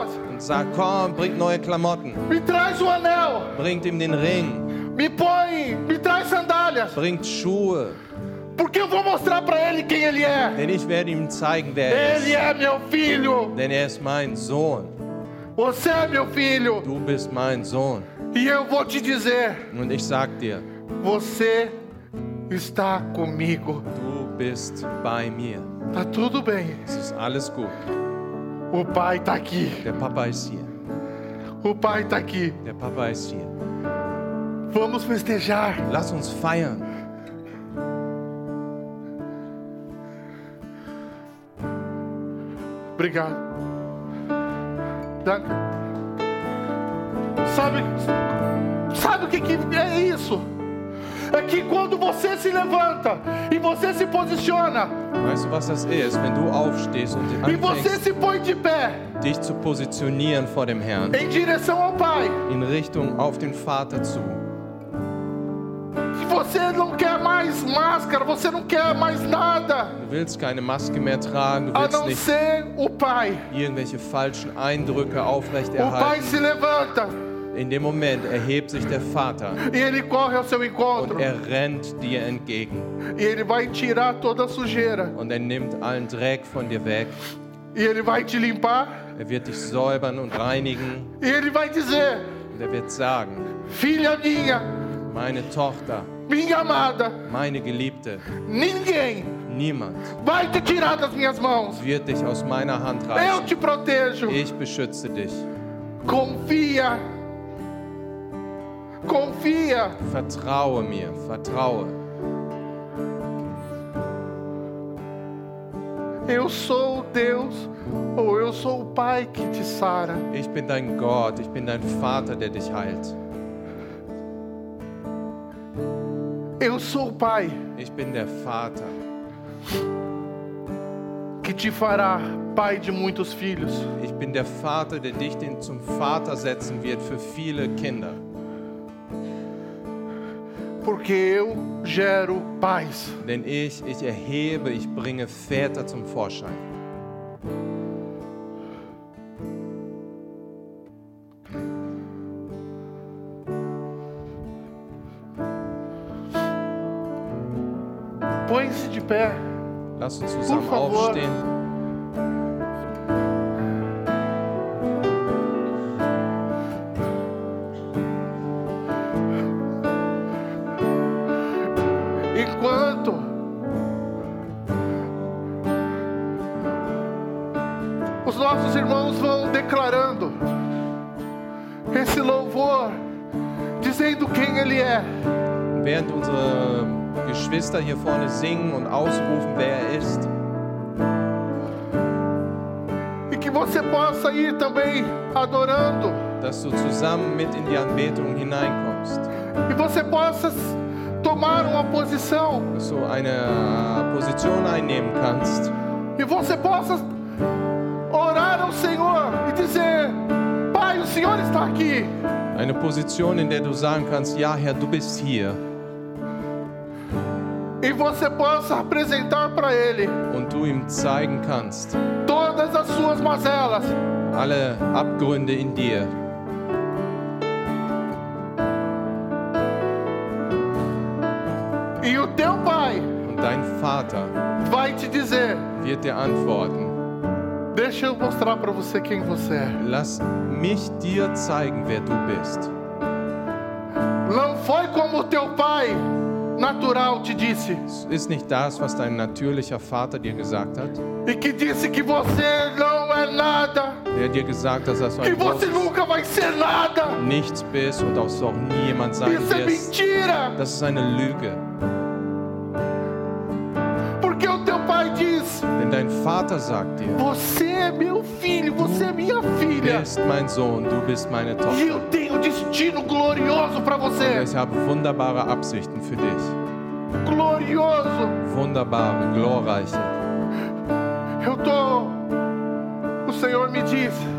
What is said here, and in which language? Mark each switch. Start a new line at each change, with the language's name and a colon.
German: Und sagt, komm, bringt neue Klamotten.
Portuguese: Me traz o anel.
German: Bringt ihm den Ring.
Portuguese: Me põe, me traz sandálias.
German: Bringt Schuhe.
Portuguese: Porque eu vou mostrar para ele quem ele é.
German: Denn ich werde ihm zeigen, wer er ist.
Portuguese: Ele é meu filho.
German: Denn er ist mein Sohn.
Portuguese: Você é meu filho.
German: Du bist mein Sohn.
Portuguese: E eu vou te dizer.
German: Und ich sag dir.
Portuguese: Você está comigo.
German: Du bist bei mir.
Portuguese: Tá tudo bem.
German: Es ist alles gut.
Portuguese: O pai tá aqui.
German: Der Papa ist hier.
Portuguese: O pai tá aqui.
German: Der Papa ist hier.
Portuguese: Vamos festejar.
German: Lass uns feiern.
Portuguese: Obrigado.
German: Danke.
Portuguese: Sabe, sabe o que, que é isso? É que quando você se levanta e você se posiciona,
German: weißt du, was das ist, wenn du aufstehst und
Portuguese: e você se põe de pé,
German: dich zu positionieren vor dem Herrn,
Portuguese: em direção ao Pai,
German: in Richtung auf den Vater zu.
Portuguese: Você não quer mais máscara, você não quer mais nada.
German: Du willst keine Maske mehr tragen, du willst nicht
Portuguese: o Pai.
German: Irgendwelche falschen Eindrücke aufrechterhalten.
Portuguese: O Pai se levanta.
German: In dem Moment erhebt sich der Vater.
Portuguese: E ele corre ao seu encontro.
German: Und er rennt dir entgegen.
Portuguese: E ele vai tirar toda a sujeira.
German: Und er nimmt allen Dreck von dir weg.
Portuguese: E ele vai te limpar.
German: Er wird dich säubern und reinigen.
Portuguese: E ele vai dizer,
German: und er wird sagen,
Portuguese: filha minha,
German: meine Tochter,
Portuguese: minha amada,
German: meine Geliebte,
Portuguese: ninguém,
German: niemand,
Portuguese: vai te tirar das minhas mãos,
German: wird dich aus meiner Hand reißen.
Portuguese: Eu te protejo.
German: Ich beschütze dich.
Portuguese: Confia. Confia.
German: Vertraue mir, vertraue.
Portuguese: Eu sou Deus, ou eu sou o Pai que te sara.
German: Ich bin dein Gott, ich bin dein Vater, der dich heilt.
Portuguese: Eu sou o Pai.
German: Ich bin der Vater.
Portuguese: Que te fará pai de muitos filhos.
German: Ich bin der Vater, der dich den zum Vater setzen wird für viele Kinder.
Portuguese: Porque eu gero pais.
German: Denn ich erhebe, ich bringe Väter zum Vorschein.
Portuguese: Põe-se de pé.
German: Lass uns zusammen aufstehen.
Portuguese: Enquanto os nossos irmãos vão declarando esse louvor, dizendo quem ele é.
German: Während unsere Geschwister hier vorne singen und ausrufen, wer er ist.
Portuguese: E que você possa ir também adorando.
German: Dass du zusammen mit in die Anbetung hineinkommst.
Portuguese: E você possa tomar uma posição.
German: Dass du eine Position einnehmen kannst.
Portuguese: E você possa orar ao Senhor e dizer, Pai, o Senhor está aqui.
German: Eine Position, in der du sagen kannst, ja, Herr, du bist hier.
Portuguese: E você possa apresentar para ele
German: und du ihm zeigen kannst
Portuguese: todas as suas mazelas,
German: alle Abgründe in dir.
Portuguese: E o teu pai
German: und dein Vater
Portuguese: vai te dizer,
German: wird dir antworten,
Portuguese: deixa eu mostrar para você quem você é.
German: Lass mich dir zeigen, wer du bist.
Portuguese: Não foi como teu pai natural te disse.
German: Ist nicht das, was dein natürlicher Vater dir gesagt hat?
Portuguese: E que disse que você não é nada.
German: Der dir gesagt hat, dass du
Portuguese: que você nunca vai ser nada.
German: Nichts bist und auch so niemand sein wirst.
Portuguese: Isso é mentira.
German: Das ist eine Lüge.
Portuguese: Porque o teu pai diz.
German: Denn dein Vater sagt dir.
Portuguese: Você é meu filho, você é minha filha.
German: Du bist mein Sohn, du bist meine Tochter.
Portuguese: Eu tenho destino glorioso para você.
German: Und ich habe wunderbare Absichten für dich.
Portuguese: Glorioso.
German: Wunderbare, glorreiche.
Portuguese: Eu tô. O Senhor me diz.